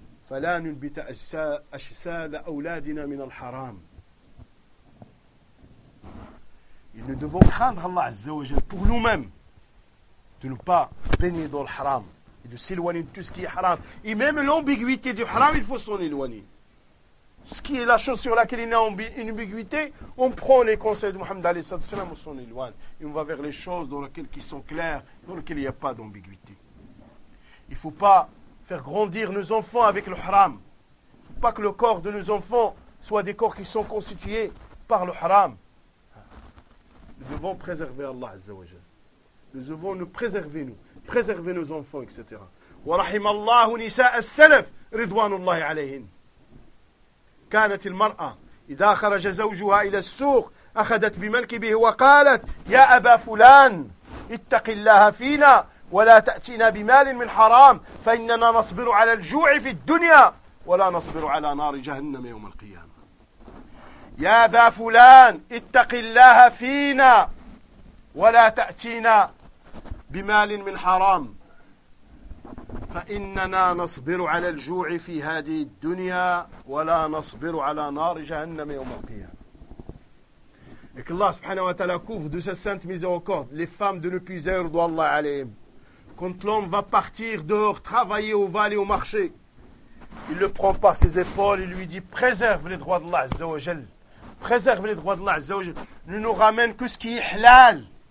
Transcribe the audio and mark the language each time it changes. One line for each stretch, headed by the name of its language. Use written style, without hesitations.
Arabic: فلا ننبت أجساد أولادنا من الحرام.
French: Et nous devons craindre Allah Azzawajal pour nous-mêmes, de ne pas baigner dans le haram, et de s'éloigner de tout ce qui est haram. Et même l'ambiguïté du haram, il faut s'en éloigner. Ce qui est la chose sur laquelle il y a une ambiguïté, on prend les conseils de Mohammed alayhi salatu wasalam, on s'en éloigne. Et on va vers les choses dans lesquelles qui sont claires, dans lesquelles il n'y a pas d'ambiguïté. Il ne faut pas faire grandir nos enfants avec le haram. Il ne faut pas que le corps de nos enfants soit des corps qui sont constitués par le haram. Nous devons préserver Allah Azza wa Jal. Nous devons nous préserver, nous. Préserver nos enfants, etc.
Arabic: Wa rahim Allahu nisa as-salaf ridwanullahi alayhin. كانت المرأة إذا خرج زوجها إلى السوق أخذت بمنكبه وقالت يا أبا فلان اتق الله فينا ولا تأتينا بمال من حرام فإننا نصبر على الجوع في الدنيا ولا نصبر على نار جهنم يوم القيامة يا أبا فلان اتق الله فينا ولا تأتينا بمال من حرام فإننا نصبر على الجوع في هذه الدنيا ولا نصبر على نار جهنم يوم القيامة.
French: Et que Allah subhanahu wa ta'ala couvre de sa sainte miséricorde les femmes de ne plus avoir droit à Allah alayhim. Quand l'homme va partir dehors travailler au val et au marché, il le prend par ses épaules et lui dit préserve les droits d'Allah azza wa jal. Préserve les droits d'Allah azza wa jal. Ne nous ramène que ce qui est halal.